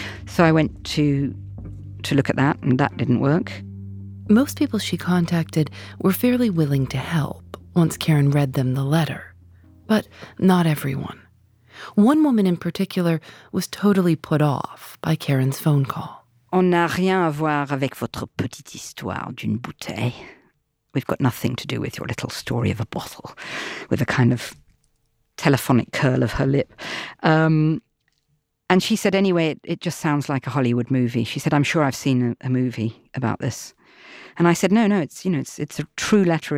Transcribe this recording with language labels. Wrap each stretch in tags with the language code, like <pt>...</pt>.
<en>So I went to look at that, and that didn't work. Most people she contacted were fairly willing to help once Karen read them the letter. But not everyone. One woman in particular was totally put off by Karen's phone call.</en> <fr>On n'a rien à voir avec votre petite histoire d'une bouteille.</fr> <en>We've got nothing to do with your little story of a bottle, with a kind of telephonic curl of her lip. And she said, anyway, it just sounds like a Hollywood movie. She said, I'm sure I've seen a movie about this. And I said, no, it's a true letter.</en>